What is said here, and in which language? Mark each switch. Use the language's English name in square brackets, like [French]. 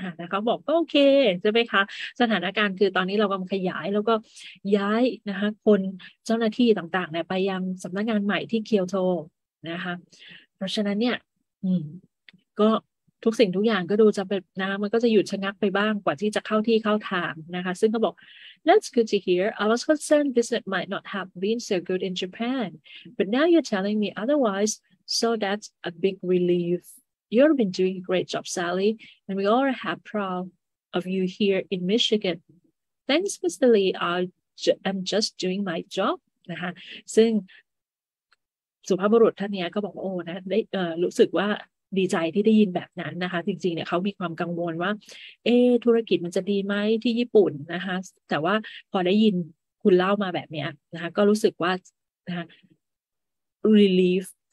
[Thai] นะคะบอกก็โอเคใช่ไหมคะสถานการณ์คือตอนนี้เรากำลังขยายแล้วก็ย้ายนะคะคนเจ้าหน้าที่ต่างๆเนี่ยไปยังสำนักงานใหม่ที่เคียวโตนะคะเพราะฉะนั้นเนี่ยก็ทุกสิ่งทุกอย่างก็ดูจะแบบน้ำมันก็จะหยุดชะงักไปบ้างกว่าที่จะเข้าที่เข้าทางนะคะซึ่งก็บอก [English] That's good to hear. I was concerned business might not have been so good in Japan, but now you're telling me otherwise, so that's a big relief. You've been doing a great job, Sally, and we all are proud of you here in Michigan. Thanks, Mr. Lee. I'm just doing my job. [Thai] นะคะ ซึ่งสุภาพบุรุษท่านนี้ก็บอกโอ้นะได้รู้สึกว่าดีใจที่ได้ยินแบบนั้นนะคะจริงๆเนี่ยเขามีความกังวลว่าเอธุรกิจมันจะดีไหมที่ญี่ปุ่นนะคะแต่ว่าพอได้ยินคุณเล่ามาแบบนี้นะคะก็รู้สึกว่านะคะ relief